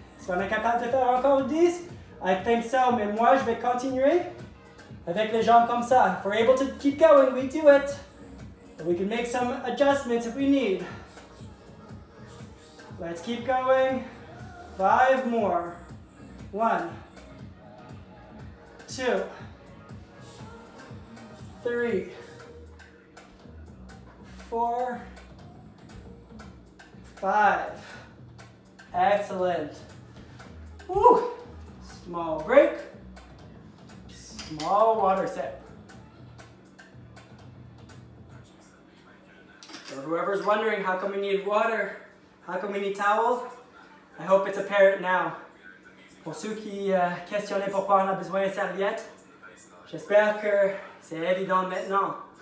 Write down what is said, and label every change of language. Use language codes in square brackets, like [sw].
[fr] Est-ce qu'on est capable de faire encore 10? [en] I think so, [fr] mais moi je vais continuer avec les jambes comme ça. [en] If we're able to keep going, we do it. We can make some adjustments if we need. Let's keep going. 5 more. 1, 2, 3, 4, 5. Excellent. Woo! Small break. Small water sip. So whoever's wondering how come we need water, how come we need towel, I hope it's apparent now. [fr] Pour ceux qui questionnaient pourquoi on a besoin de serviettes, j'espère que c'est évident maintenant.